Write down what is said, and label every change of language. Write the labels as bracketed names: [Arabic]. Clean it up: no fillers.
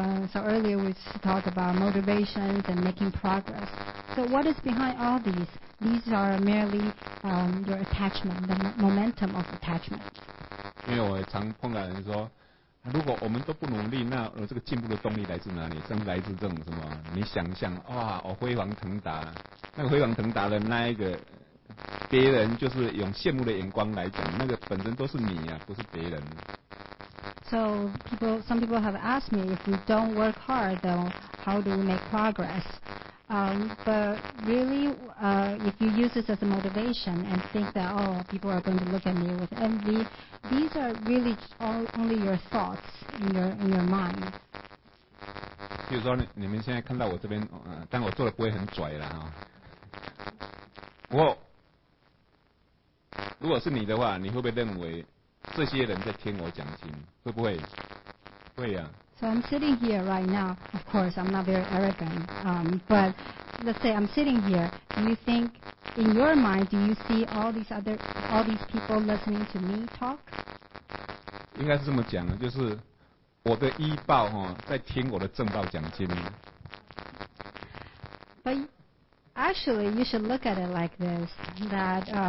[English] So earlier we talked about motivations and making progress. So what is behind all these? These are merely your attachment, the momentum of attachment. [Chinese] 因为我常碰到人说，如果我们都不努力，那这个进步的动力来自哪里？正来自这种什么？你想象哇，我飞黄腾达，那个飞黄腾达的那一个，别人就是用羡慕的眼光来讲，那个本身都是你啊，不是别人。 [English] So some people have asked me if we don't work hard, then how do we make progress? But really, if you use this as a motivation and think that oh, people are going to look at me with envy. These are really only your thoughts in your mind. [Chinese] 比如说你们现在看到我这边，但我做的不会很拽啦，如果是你的话，你会不会认为这些人在听我讲经？会不会？会呀。 [English] So I'm sitting here right now. Of course, I'm not very arrogant. But let's say I'm sitting here. Do you think in your mind, do you see all these people listening to me talk? [Chinese] 应该是这么讲的，就是我的医报哈在听我的正报讲经。 [English] But actually, you should look at it like this: that